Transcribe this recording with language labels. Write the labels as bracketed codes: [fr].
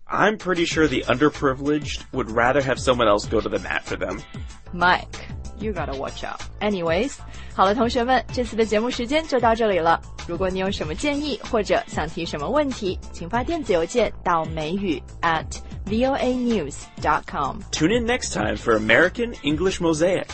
[en] I'm pretty sure the underprivileged would rather have someone else go to the mat for them. Mike, you gotta watch out. [zh] Anyways, 好了，同学们，这次的节目时间就到这里了。如果你有什么建议或者想提什么问题，请发电子邮件到美语@voanews.com. [en] Tune in next time for American English Mosaic.